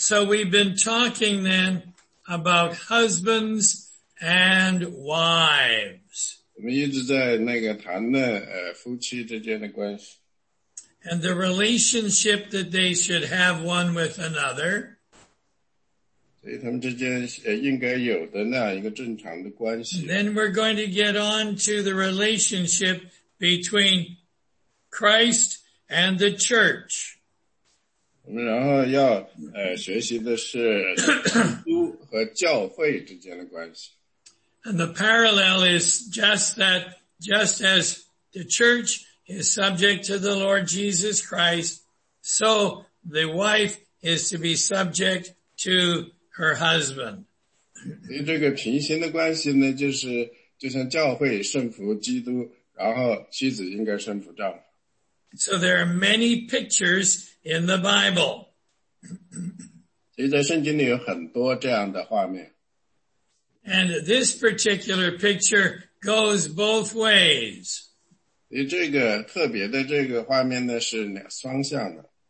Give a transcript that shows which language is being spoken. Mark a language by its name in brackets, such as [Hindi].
[English] So we've been talking then about husbands and wives. [Chinese] 我们一直在那个谈论夫妻之间的关系。 [English] And the relationship that they should have one with another. [Chinese] 所以他们之间应该有的那一个正常的关系。 [English] Then we're going to get on to the relationship between Christ and the church. [Chinese] 我们然后要学习的是基督和教会之间的关系。 [English] And the parallel is just that, just as the church is subject to the Lord Jesus Christ, so the wife is to be subject to her husband. [Chinese] 这个平行的关系呢，就是就像教会顺服基督，然后妻子应该顺服丈夫。 [English] So there are many pictures in the Bible. [Chinese] 所以在圣经里有很多这样的画面。 [English] And this particular picture goes both ways. [Chinese] 这个特别的这个画面呢是双向的。